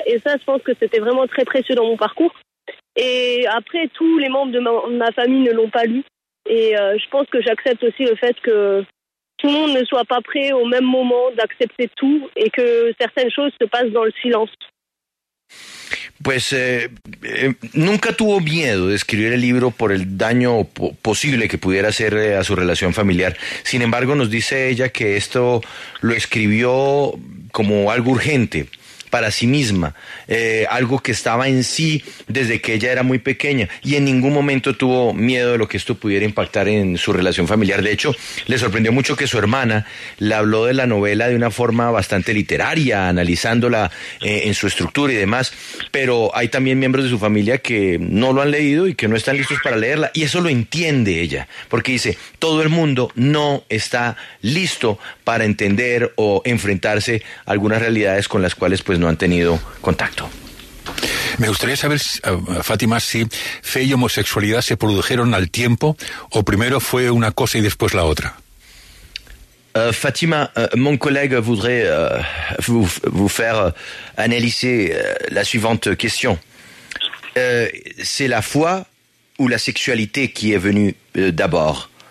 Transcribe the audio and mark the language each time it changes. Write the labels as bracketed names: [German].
[French] Et ça, je pense que c'était vraiment très précieux dans mon parcours. Et après, tous les membres de ma famille ne l'ont pas lu. Et je pense que j'accepte aussi le fait que tout le monde ne soit pas prêt au même moment d'accepter tout et que certaines choses se passent dans le silence. [Spanish] Pues nunca tuvo miedo de escribir el libro por el daño posible que pudiera hacer a su relación familiar. Sin embargo, nos dice ella que esto lo escribió como algo urgente para sí misma, algo que estaba en sí desde que ella era muy pequeña, y en ningún momento tuvo miedo de lo que esto pudiera impactar en su relación familiar. De hecho, le sorprendió mucho que su hermana le habló de la novela de una forma bastante literaria, analizándola en su estructura y demás, pero hay también miembros de su familia que no lo han leído y que no están listos para leerla, y eso lo entiende ella, porque dice, todo el mundo no está listo para entender o enfrentarse a algunas realidades con las cuales pues no han tenido contacto. Me gustaría saber, Fátima, si fe y homosexualidad se produjeron al tiempo o primero fue una cosa y después la otra. [French] Fátima, mon collègue voudrait vous faire analyser la suivante question. C'est la foi ou la sexualité qui est venue d'abord?